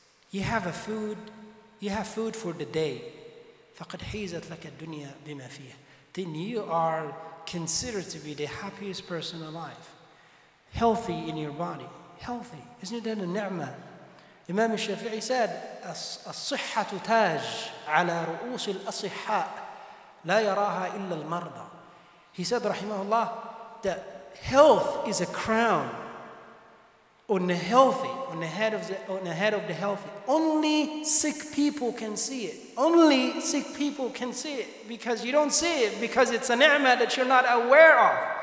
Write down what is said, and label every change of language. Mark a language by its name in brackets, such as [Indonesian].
[English] You have food for the day. [Arabic] فَقَدْ حِيزَتْ لَكَ الدُّنْيَا بِمَا فِيهَا. [English] Then you are considered to be the happiest person alive. Healthy in your body. Healthy. Isn't that a ni'mah? Imam al-Shafi'i said, [Arabic] الصِّحَّةُ تَاجْ عَلَى رُؤُوسِ الْأَصِحَّاءِ لَا يَرَاهَا إِلَّا الْمَرْضَى. [English] He said, rahimahullah, that health is a crown on the head of the healthy. Only sick people can see it. Only sick people can see it. Because you don't see it, because it's a ni'mah that you're not aware of.